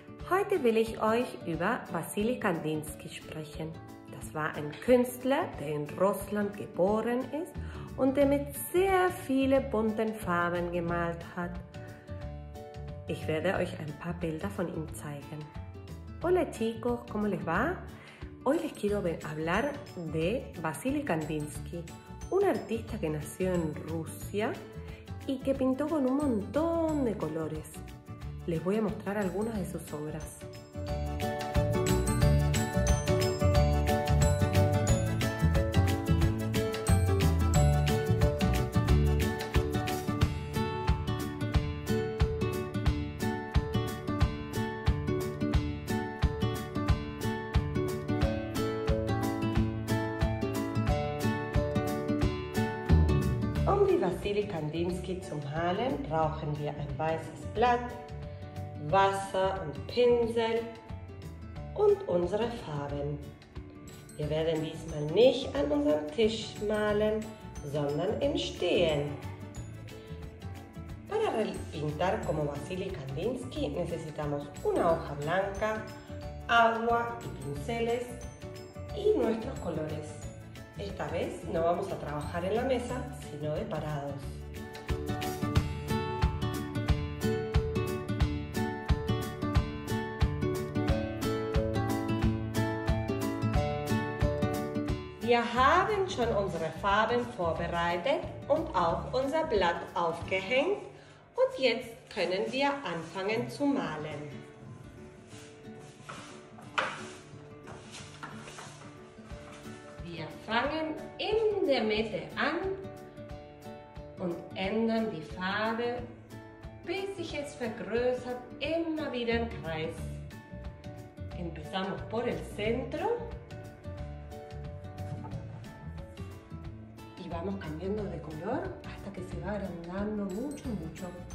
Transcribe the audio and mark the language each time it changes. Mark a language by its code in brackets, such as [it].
[de] Heute will ich euch über Wassily Kandinsky sprechen. Das war ein Künstler, der in Russland geboren ist und der mit sehr vielen bunten Farben gemalt hat. Ich werde euch ein paar Bilder von ihm zeigen. [es] Hola chicos, ¿cómo les va? Hoy les quiero hablar de Wassily Kandinsky, un artista que nació en Rusia y que pintó con un montón de colores. Les voy a mostrar algunas de sus obras. [de] Um die Wassily Kandinsky zu malen, brauchen wir ein weißes Blatt, Wasser und Pinsel und unsere Farben. Wir werden diesmal nicht an unserem Tisch malen, sondern im Stehen. [es] Para pintar como Wassily Kandinsky necesitamos una hoja blanca, agua y pinceles y nuestros colores. Esta vez no vamos a trabajar en la mesa, sino de parados. [de] Wir haben schon unsere Farben vorbereitet und auch unser Blatt aufgehängt. Und jetzt können wir anfangen zu malen. Wir fangen in der Mitte an und ändern die Farbe, bis sich es vergrößert, immer wieder im Kreis. [es] Empezamos por el centro y vamos cambiando de color hasta que se va agrandando mucho, mucho.